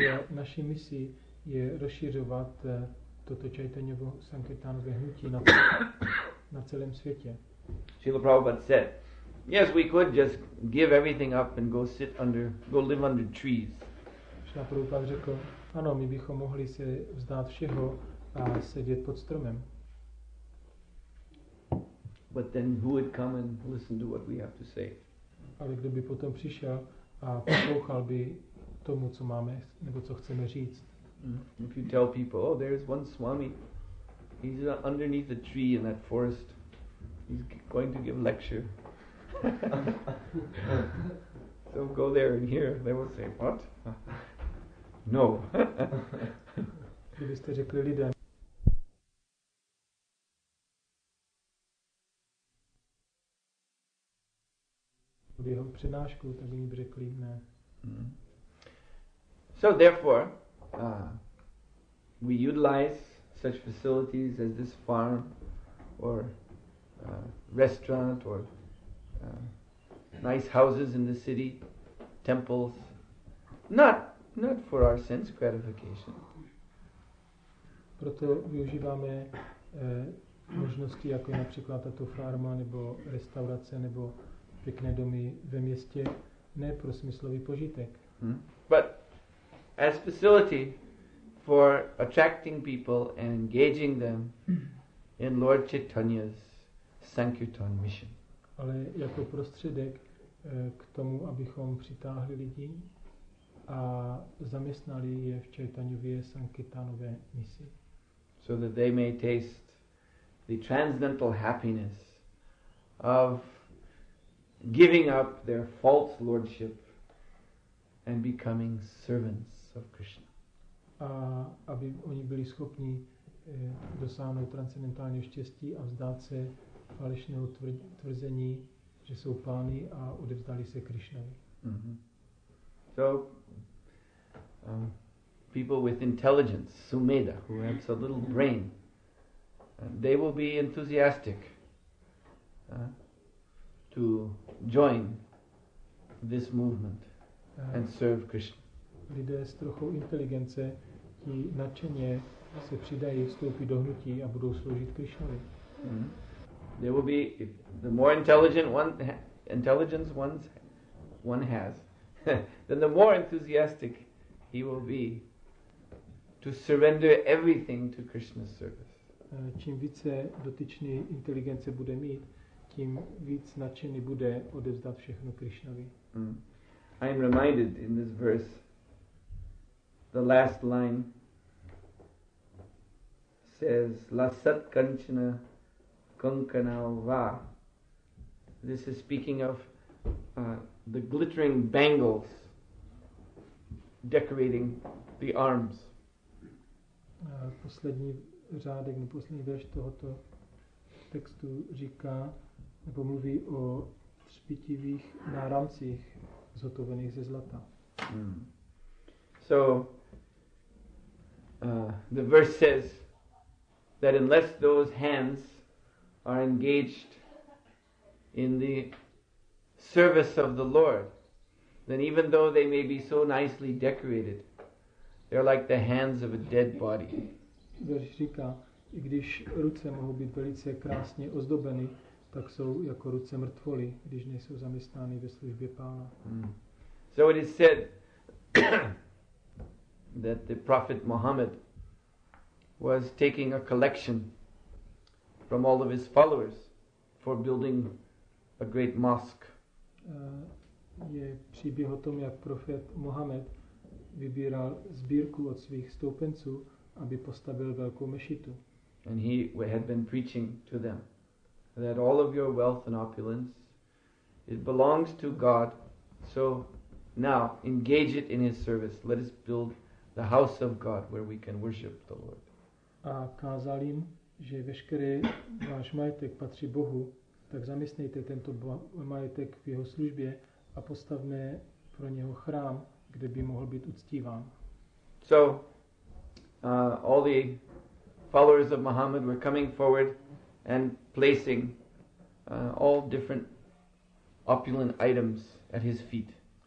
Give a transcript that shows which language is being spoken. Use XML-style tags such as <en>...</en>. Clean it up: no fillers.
<cs>Naší misí je rozšiřovat toto Chaitanyovo sankirtanové hnutí na celém světě.</cs> <en>Srila Prabhupada said, yes, we could just give everything up and go live under trees.</en> <cs>Srila Prabhupada řekl, ano, my bychom mohli se vzdát všeho a sedět pod stromem.</cs> <en>But then who would come and listen to what we have to say?</en> <cs>ale kdo by potom přišel a poslouchal by tomu, co máme nebo co chceme říct.</cs> <en>If you tell people, oh, there's one Swami, he's underneath a tree in that forest, he's going to give lecture. So go there and hear. They will say, what? No.</en> <cs>Kdybyste řekli lidem, v jeho přednášku, tak by řekli ne.</cs> <en>So therefore, we utilize such facilities as this farm or restaurant or nice houses in the city, temples, not for our sense gratification.</en> <cs>Proto využíváme možnosti jako například tato farma nebo restaurace nebo pěkné domy ve městě, ne pro smyslový požitek.</cs> <en>But as facility for attracting people and engaging them in Lord Chaitanya's Sankirtan mission.</en> <cs>Ale jako prostředek k tomu, abychom přitáhli lidi a zaměstnali je v Chaitanyově Sankirtanové misi.</cs> <en>So that they may taste the transcendental happiness of giving up their false lordship and becoming servants of Krishna.</en> <cs>A aby oni byli schopni dosáhnout transcendentálního štěstí a vzdát se falešného tvrzení, že jsou pány a odevzdali se Krišnovi.</cs> <en>So people with intelligence, Sumedha, who has a little brain, they will be enthusiastic to join this movement and serve Krishna.</en> <cs>Lidé s trochou inteligence, ti nadšeně se přidají, vstoupí do hnutí a budou sloužit Krišnovi.</cs> <en>There will be, if the more intelligence one has, then the more enthusiastic he will be to surrender everything to Krishna's service.</en> <cs>Čím více dotyčný inteligence bude mít, tím víc nadšený bude odevzdat všechno Krišnovi.</cs> <en>I am reminded in this verse, the last line says, Lasat Kanchana Kankanalva. This is speaking of the glittering bangles decorating the arms.</en> <cs>Poslední řádek, nebo poslední verš tohoto textu říká, nebo mluví o třpitivých náramcích zhotovených ze zlata.</cs> <en>So, the verse says that unless those hands are engaged in the service of the Lord, then even though they may be so nicely decorated, they're like the hands of a dead body.</en> <cs>Verš říká, i když ruce mohou být velice krásně ozdobeny, tak jsou jako ruce mrtvoly, když nejsou zaměstnány ve službě Pána.</cs> <en>So it is said that the prophet Muhammad was taking a collection from all of his followers for building a great mosque.</en> <cs>Je příběh o tom, jak prophet Muhammad vybíral sbírku od svých stoupenců, aby postavil velkou mešitu.</cs> <en>And he had been preaching to them that all of your wealth and opulence, it belongs to God, so now engage it in his service. Let us build the house of God where we can worship the Lord.</en> <cs>A kázal jim, že veškerý váš majetek patří Bohu, tak zaměstnejte tento majetek v jeho službě a postavme pro něho chrám, kde by mohl být uctíván.</cs> <en>So all the followers of Muhammad were coming forward and placing all different opulent items at his feet.</en>